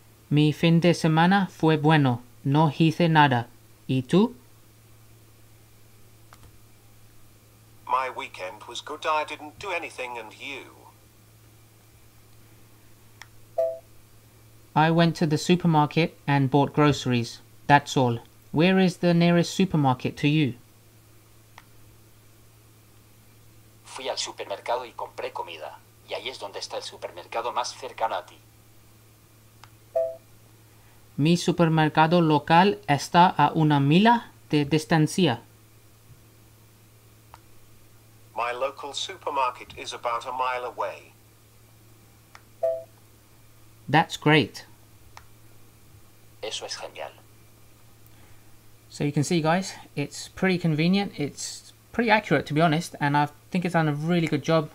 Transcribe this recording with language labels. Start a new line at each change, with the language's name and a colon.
Spanish: Mi fin de semana fue bueno, no hice nada. ¿Y tú?
English: My weekend was good, I didn't do anything, and you? I went to the supermarket and bought groceries, that's all. Where is the nearest supermarket to you?
Spanish: Fui al supermercado y compré comida, y ahí es donde está el supermercado más cercano a ti. Mi supermercado local está a una milla de distancia.
English: My local supermarket is about a mile away. That's great.
Spanish: Eso es genial.
English: So you can see, guys, it's pretty convenient. It's pretty accurate, to be honest, and I think it's done a really good job.